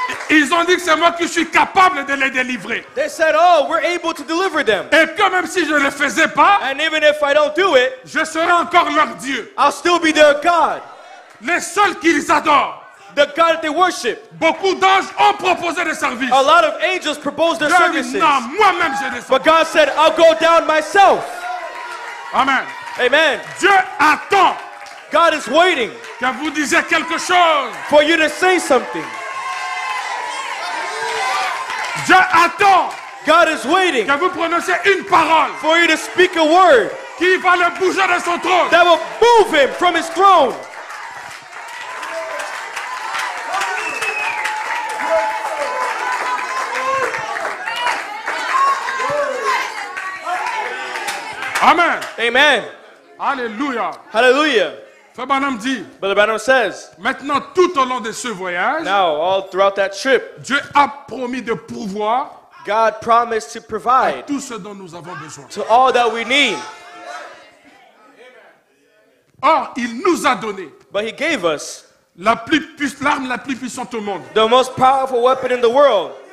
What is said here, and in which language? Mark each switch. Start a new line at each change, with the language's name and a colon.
French: Ils ont dit que c'est moi qui suis capable de les délivrer.
English: They said, oh, we're able to deliver them.
French: Et que même si je ne le faisais pas,
English: and even if I don't do it,
French: je serai encore leur Dieu.
English: I'll still be their God.
French: Les seuls qu'ils adorent.
English: The God that they worship.
French: Beaucoup d'anges ont proposé des services.
English: A lot of angels proposed their
French: Dieu
English: services.
French: Dit, non, moi-même j'ai des
English: but God said, I'll go down myself.
French: Amen.
English: Amen.
French: Dieu attend.
English: God is waiting.
French: Que vous disiez quelque chose.
English: For you to say something.
French: Dieu attend.
English: God is waiting.
French: Que vous prononciez une parole.
English: For you to speak a word.
French: Qui va le bouger de son trône.
English: That will move him from his throne.
French: Amen.
English: Amen.
French: Alléluia.
English: Alléluia.
French: Frère Branham dit,
English: Brother Branham says,
French: maintenant tout au long de ce voyage,
English: now, all throughout that trip,
French: Dieu a promis de pourvoir,
English: God promised to provide,
French: à tout ce dont nous avons besoin,
English: to all that we need.
French: Or, il nous a donné,
English: but he gave us,
French: la plus puissante, l'arme la plus puissante au monde,
English: the most powerful weapon in the world,